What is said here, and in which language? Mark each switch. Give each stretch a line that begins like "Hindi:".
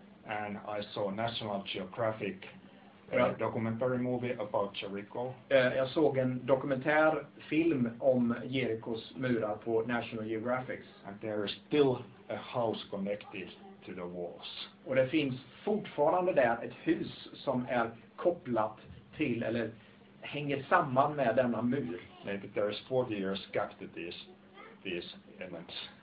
English: And I saw National Geographic documentary movie about Jericho.
Swedish: Jag såg en dokumentärfilm om Jerikos murar på National Geographic.
English: And there is still a house connected to the walls.
Swedish: Och det finns fortfarande där ett hus som är kopplat till eller hänger samman med denna mur.
English: Maybe there is 40 years gap to these elements.